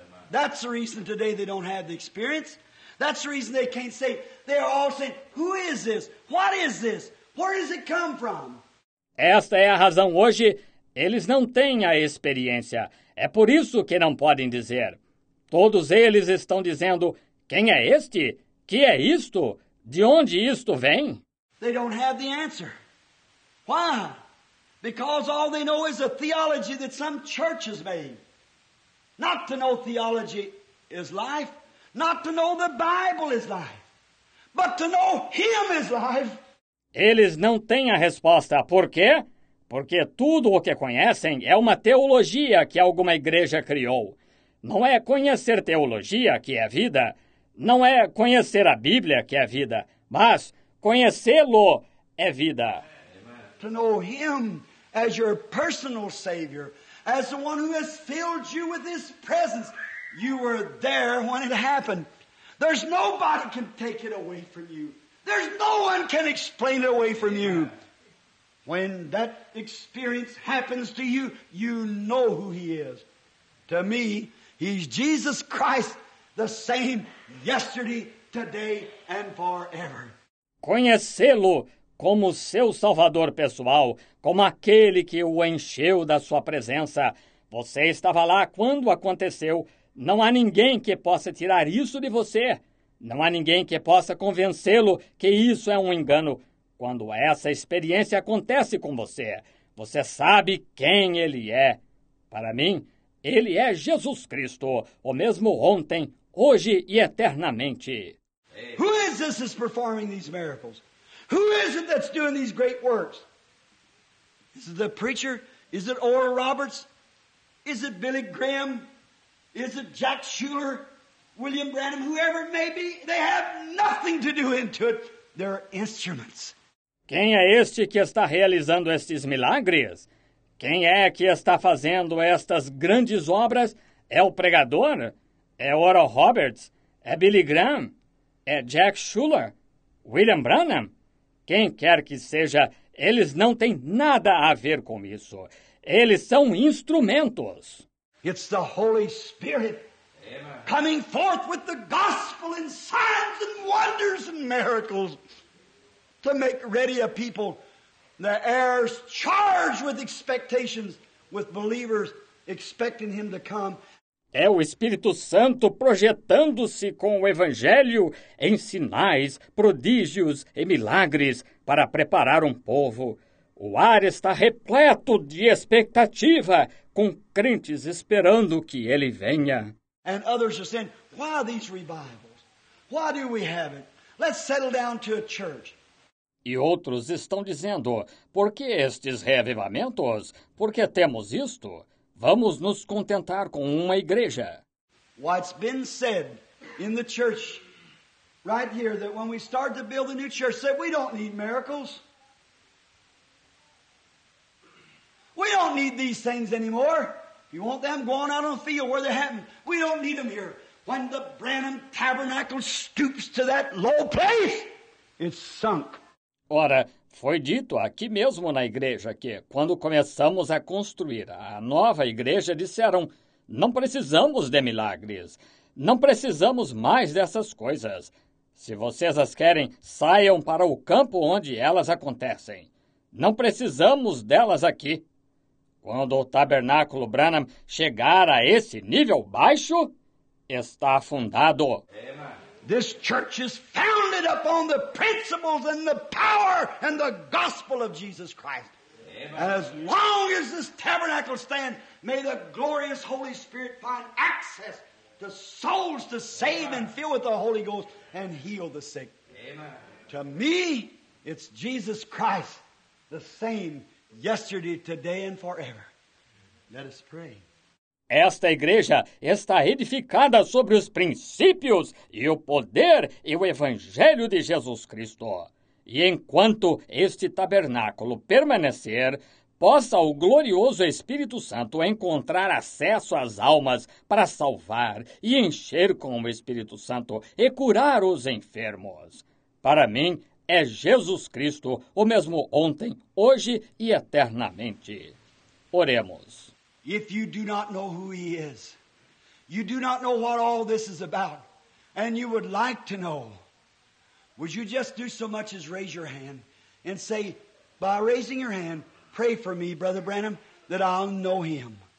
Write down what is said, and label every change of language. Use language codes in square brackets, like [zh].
[en] That's the reason today they don't have the experience. That's the reason they can't say, they're all saying, who is this? What is this? Where does it come from? [pt] Esta é a razão hoje, eles não têm a experiência. É por isso que não podem dizer. Todos eles estão dizendo, quem é este? Que é isto? De onde isto vem? [en] They don't have the answer. Why? Because all they know is a theology that some church has made. Not to know theology is life. Not to know the Bible is life. But to know Him is life. [pt] Eles não têm a resposta. Por quê? Porque tudo o que conhecem é uma teologia que alguma igreja criou. Não é conhecer teologia que é vida. Não é conhecer a Bíblia que é vida. Mas conhecê-lo é vida. [en] To know him as your personal savior, as the one who has filled you with his presence. You were there when it happened. There's nobody can take it away from you. There's no one can explain it away from you. When that experience happens to you, you know who he is. To me, he's Jesus Christ, the same yesterday, today and forever. [pt] Conhecê-lo como seu salvador pessoal, como aquele que o encheu da sua presença. Você estava lá quando aconteceu. Não há ninguém que possa tirar isso de você. Não há ninguém que possa convencê-lo que isso é um engano. Quando essa experiência acontece com você, você sabe quem ele é. Para mim, ele é Jesus Cristo, o mesmo ontem, hoje e eternamente. [en] Who is this that's performing these miracles? Who is it that's doing these great works? Is it the preacher? Is it Oral Roberts? Is it Billy Graham? Is it Jack Schuller? William Branham? Whoever it may be, they have nothing to do into it. They're instruments. [pt] Quem é este que está realizando estes milagres? Quem é que está fazendo estas grandes obras? É o pregador? É Oral Roberts? É Billy Graham? É Jack Schuller, William Branham, quem quer que seja, eles não têm nada a ver com isso. Eles são instrumentos. [en] It's the Holy Spirit. Amen. Coming forth with the gospel in signs and wonders and miracles. to make ready a people, the heirs charged with expectations, with believers expecting him to come. [pt] É o Espírito Santo projetando-se com o Evangelho em sinais, prodígios e milagres para preparar um povo. O ar está repleto de expectativa, com crentes esperando que ele venha. [en] And others are saying, why are these revivals? Why do we have it? Let's settle down to a church. [pt] E outros estão dizendo, por que estes reavivamentos? Por que temos isto? Vamos nos contentar com uma igreja. [en] What's been said in the church right here that when we start to build a new church said we don't need miracles. We don't need these things anymore. You want them going out on the field where they're happening. We don't need them here. When the Branham Tabernacle stoops to that low place, it's sunk. [pt] Ora, foi dito aqui mesmo na igreja que, quando começamos a construir a nova igreja, disseram, não precisamos de milagres, não precisamos mais dessas coisas. Se vocês as querem, saiam para o campo onde elas acontecem. Não precisamos delas aqui. Quando o tabernáculo Branham chegar a esse nível baixo, está afundado. [en] This church is founded upon the principles and the power and the gospel of Jesus Christ. Amen. As long as this tabernacle stands, may the glorious Holy Spirit find access to souls to save Amen. And fill with the Holy Ghost and heal the sick. Amen. To me, it's Jesus Christ, the same yesterday, today and forever. Let us pray. [pt] Esta igreja está edificada sobre os princípios e o poder e o Evangelho de Jesus Cristo. E enquanto este tabernáculo permanecer, possa o glorioso Espírito Santo encontrar acesso às almas para salvar e encher com o Espírito Santo e curar os enfermos. Para mim, é Jesus Cristo, o mesmo ontem, hoje e eternamente. Oremos. [en] If you do not know who he is, you do not know what all this is about, and you would like to know, would you just do so much as raise your hand and say, by raising your hand, pray for me, Brother Branham, that I'll know him.